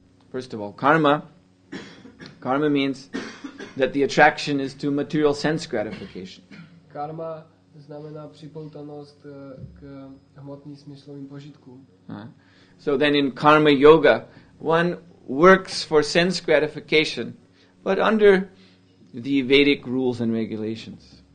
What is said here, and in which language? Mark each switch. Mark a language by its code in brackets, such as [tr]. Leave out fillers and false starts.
[en] First of all, karma means that the attraction is to material sense gratification. [cs] Karma znamená připoutanost k hmotným smyslovým požitkům. [en] So then in karma yoga, one works for sense gratification, but under the Vedic rules and regulations.